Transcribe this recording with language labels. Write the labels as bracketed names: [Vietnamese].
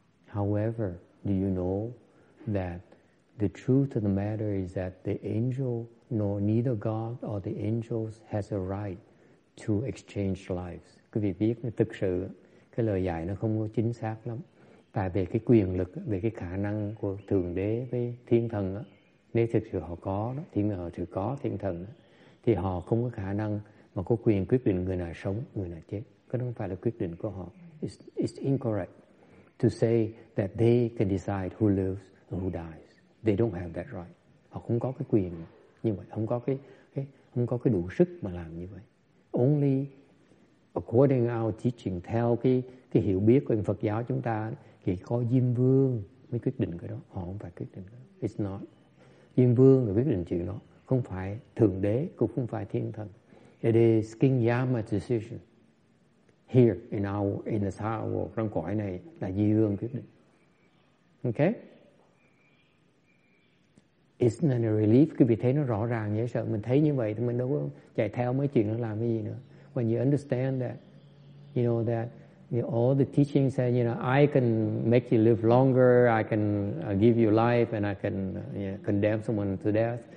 [English] However, do you know that the truth of the matter is that the angel, nor neither God or the angels, has a right to exchange lives. [Vietnamese] Quý vị biết là thực sự cái lời dạy nó không có chính xác lắm. Tại về cái quyền lực, về cái khả năng của Thượng Đế với Thiên Thần đó, nếu thực sự họ có đó, thì họ thực sự có Thiên Thần đó, thì họ không có khả năng mà có quyền quyết định người nào sống, người nào chết. Cái đó không phải là quyết định của họ. [English] It's incorrect to say that they can decide who lives and who dies. They don't have that right. [Vietnamese] Họ không có cái quyền như vậy, không có cái không có cái đủ sức mà làm như vậy. [English] Only according to our teaching, [Vietnamese] theo cái hiểu biết của Phật giáo chúng ta, thì có Diêm Vương mới quyết định cái đó. Họ không phải quyết định. [English] It's not. [Vietnamese] Diêm Vương là quyết định chuyện đó, không phải Thượng Đế, cũng không phải Thiên Thần. [English] It is King Yama's decision. Here in our in the Sao World, [Vietnamese] trong cõi này là Diêm Vương quyết định. [English] Okay? Isn't it a relief? [Vietnamese] Quý vị thấy nó rõ ràng dễ sợ. Mình thấy như vậy thì mình đâu có chạy theo mấy chuyện nó làm cái gì nữa. [English] When you understand that, you know that all the teachings say, you know, I can make you live longer, I can give you life, and I can condemn someone to death.